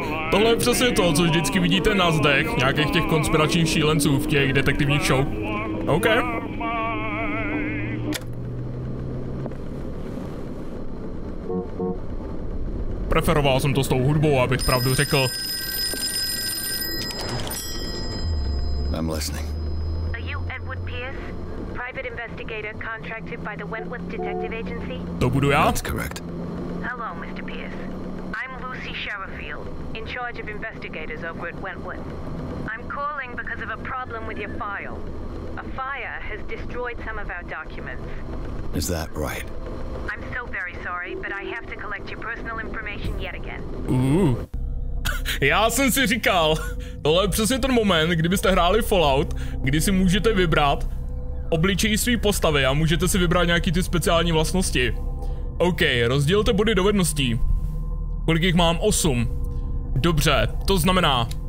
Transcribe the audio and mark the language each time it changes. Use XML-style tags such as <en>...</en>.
<cs>Tohle je přesně to, co vždycky vidíte na zdech, nějakých těch konspiračních šílenců v těch detektivních show. OK. Preferoval jsem to s tou hudbou, abych pravdu řekl.</cs> <en>I'm listening. Are you Edward Pierce, private investigator contracted by the Wentworth Detective Agency?</en> <cs>To budu já?</cs> <en>That's correct. Hello, Mr. Pierce. I'm Lucy Sherfield, in charge of investigators over at Wentworth. I'm calling because of a problem with your file. A fire has destroyed some of our documents. Is that right? I'm so very sorry, but I have to collect your personal information yet again. Ooh.</en> <cs>Já jsem si říkal, tohle je přesně ten moment, kdybyste hráli Fallout, kdy si můžete vybrat obličej své postavy a můžete si vybrat nějaký ty speciální vlastnosti. OK, rozdělte body dovedností. Kolik jich mám? 8. Dobře, to znamená...</cs>